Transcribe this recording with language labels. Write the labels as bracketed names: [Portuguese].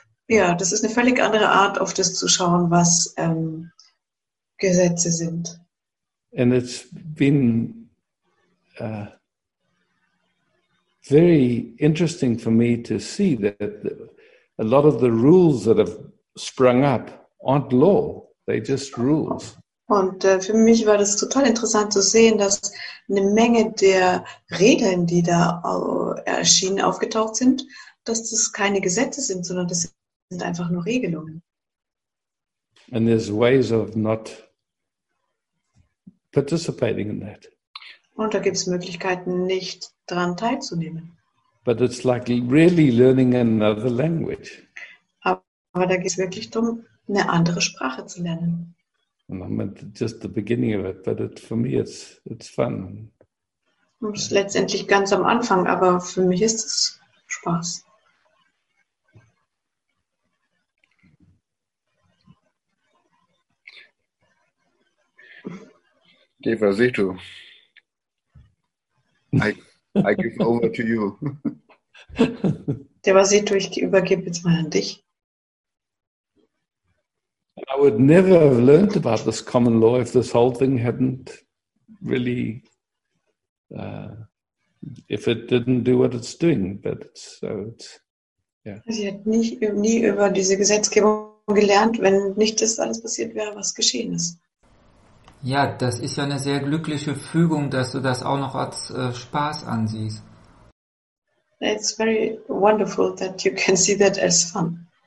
[German] Ja, das ist eine völlig andere Art, auf das zu schauen, was Gesetze sind. [English] And it's been very interesting for me to see that a lot of the rules that have sprung up aren't law, they're just rules. [German] Und für mich war das total interessant zu sehen, dass eine Menge der Regeln, die da erschienen, aufgetaucht sind, dass das keine Gesetze sind, sondern das sind einfach nur Regelungen. [English] And there's ways of not participating in that. [German] Und da gibt es Möglichkeiten, nicht daran teilzunehmen. [English] But it's like really learning another language. [German] Aber da geht es wirklich darum, eine andere Sprache zu lernen. [English] And I'm at just the beginning of it, but it, for me it's fun. [German] Ist letztendlich ganz am Anfang, aber für mich ist es Spaß. Deva, sieh du. [English] I give over to you. [German] Deva, sieh du, ich übergebe jetzt mal an dich. [English] I would never have learned about this common law if this whole thing hadn't really, if it didn't do what it's doing. But so it's, yeah. [German] Sie hat nie über diese Gesetzgebung gelernt, wenn nicht das alles passiert wäre, was geschehen ist. Ja, das ist ja eine sehr glückliche Fügung, dass du das auch noch als Spaß ansiehst. [English] It's very wonderful that you can see that as fun.